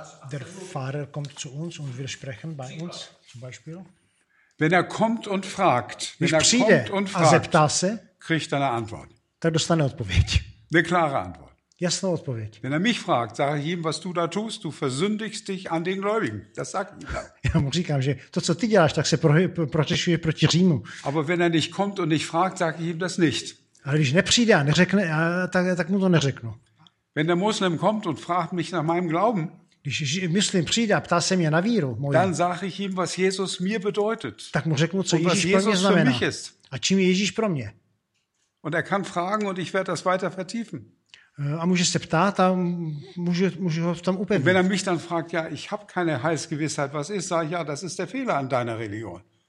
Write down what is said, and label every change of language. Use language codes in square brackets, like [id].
[de] Der Pfarrer kommt zu uns und wir sprechen bei uns, zum Beispiel. Wenn er kommt und fragt, kriegt er eine Antwort. Dann dostane eine Antwort. Eine klare Antwort. [cs] Jasná odpověď. [de] Wenn er mich fragt, sage ich ihm, was du da tust, du versündigst dich an den Gläubigen. Das sagt er. [cs] Já mu říkám, že to, co ty děláš, tak se prohřešuje proti Římu. [de] Aber wenn er nicht kommt und nicht fragt, sage ich ihm das nicht. [cs] Ale když nepřijde a neřekne, tak mu to neřeknu. [de] Wenn der Muslim kommt und fragt mich nach meinem Glauben, [cs] když Muslim přijde a ptá se mě na víru moji, [de] dann sage ich ihm, was Jesus mir bedeutet. [cs] Tak mu řeknu, co Ježíš pro mě znamená. [de] Für mich ist. [cs] A čím je Ježíš pro mě. [de] Und er kann fragen und ich werde das weiter vertiefen. [cs] A může se ptát a může ho v tom upevnit. [de] Wenn er mich dann fragt, ja, ich habe keine Heilsgewissheit, was ist, sage ich, ja, das ist der Fehler an deiner Religion.